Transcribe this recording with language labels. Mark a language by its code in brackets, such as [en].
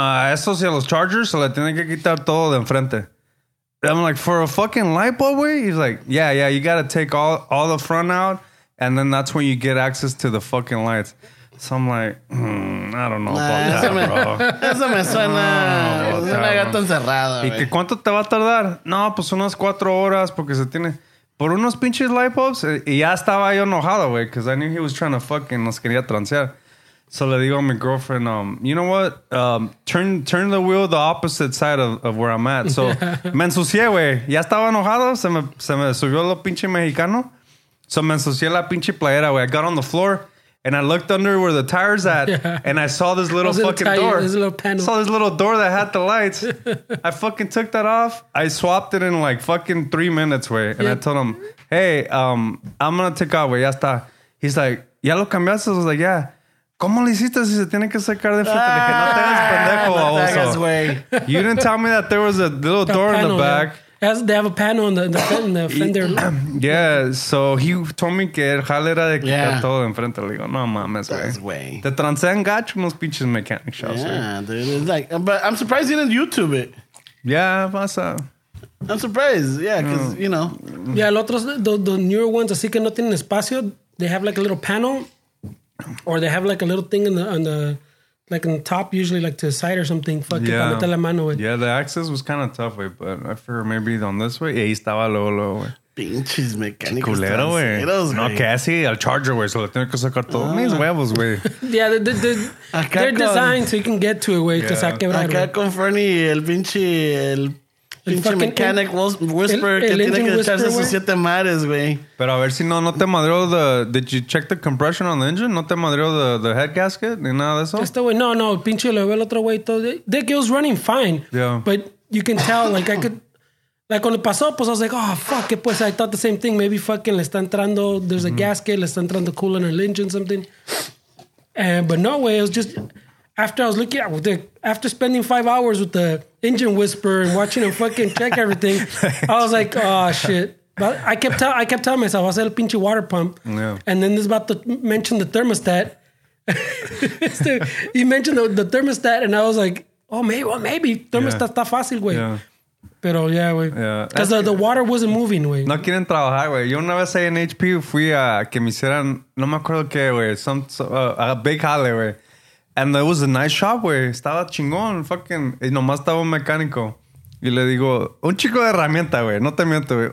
[es] Eso sí, a los chargers se le tiene que quitar todo de enfrente. [en] I'm like, for a fucking light bulb, güey? He's like, yeah, you got to take all the front out. And then that's when you get access to the fucking lights. So I'm like, I don't know about that, bro. [es] Eso me suena. Es una gata encerrada, güey. ¿Y que cuánto te va a tardar? No, pues unas 4 horas porque se tiene... Por unos pinches light bulbs. Y ya estaba yo enojado, güey. [en] Because I knew he was trying to fucking... [es] Nos quería transear. [en] So [es] le digo a mi [en] girlfriend, you know what? Turn the wheel the opposite side of where I'm at. So [es] me ensucié, güey. Ya estaba enojado. Se me subió lo pinche mexicano. So me ensucié la pinche playera, güey. [en] I got on the floor and I looked under where the tire's at. And I saw this little fucking door. This little panel. Saw this little door that had the lights. I fucking took that off. I swapped it in like fucking 3 minutes, güey. And yep. I told him, hey, I'm going to take off, güey. [es] Ya está. [en] He's like, [es] ¿ya lo cambiaste? [en] I was like, yeah. [es] ¿Cómo lo hiciste si se tiene que sacar de frente? Le dije, no te hagas pendejo, baboso. [en] You didn't tell me that there was a little door panel, in the back. Yeah. As they have a panel on the fender. [es] Yeah, [en] so he told me [es] que el jale era de que yeah. todo de enfrente. Le digo, no mames, güey. Te transean gacho unos pinches mechanic shows. [en] Yeah, dude. It's like, but I'm surprised you didn't YouTube it. [es] Yeah, pasa. [en] I'm surprised, yeah, because, you know. Yeah, the newer ones, [es] así que no tienen espacio, [en] they have like a little panel, or they have like a little thing on the... Like in the top, usually like to the side or something. Fuck yeah. [es] It, la mano, [en] yeah, the access was kind of tough, wey, but I figured maybe on this way. [es] Yeah, estaba lolo, wey. Pinches mecánicos. Culero, wey. No, casi al charger, wey. So le tengo que sacar todos mis huevos, wey. [en] Yeah, they're designed so you can get to it, wey. Yeah. [es] Acá wey. Con Fernie, el pinche mechanic whisper que tiene que echarse sus siete mares, güey. Pero a ver si no te madreó the... [en] Did you check the compression on the engine? [es] ¿No te madreó the head gasket ni nada de eso? Este güey, no, pinche lo ve el otro güey todo. [en] Dick, it was running fine. Yeah. But you can tell, like, I could... Like, [es] cuando pasó, pues, [en] I was like, oh, fuck it, pues. I thought the same thing. Maybe fucking [es] le está entrando... [en] There's a gasket, le está entrando coolant or engine, something. But no, güey, it was just... After I was looking at the, after spending 5 hours with the engine whisper and watching him fucking check everything, I was like, oh shit. But I kept telling myself, I said, el pinche water pump. Yeah. And then this about to mention the thermostat. So he mentioned the thermostat and I was like, oh, maybe thermostat [es] está fácil, güey. [en] Pero yeah, güey. Because the water wasn't moving, güey. [es] No quieren trabajar, güey. Yo una vez ahí en HP fui a que me hicieran, no me acuerdo qué, güey. [en] A big jale, güey. And it was a nice shop, güey. [es] Estaba chingón, [en] fucking. [es] Y nomás estaba un mecánico. Y le digo, un chico de herramienta, güey. No te miento, güey.